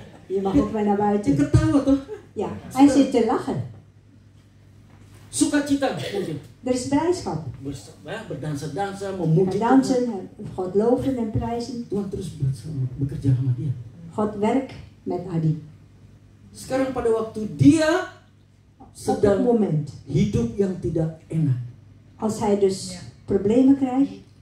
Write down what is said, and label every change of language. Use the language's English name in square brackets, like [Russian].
[Dutch] Je mag ook wel naar buiten. [Indonesian] Ketawa toch? [Dutch] Ja, hij zit te lachen. [Indonesian] Sukacita. [Dutch] Er is blijdschap. [Indonesian] Berdansa-dansa, memuji Tuhan. [Dutch] Berdansa, God loven en prijzen. [Indonesian] Tuhan terus bekerja sama dia. [Dutch] God werk met Adi. [Indonesian] Sekarang pada waktu dia sedang [Dutch] moment, [Indonesian] hidup yang tidak enak. [Dutch] Als hij dus problemen krijgt.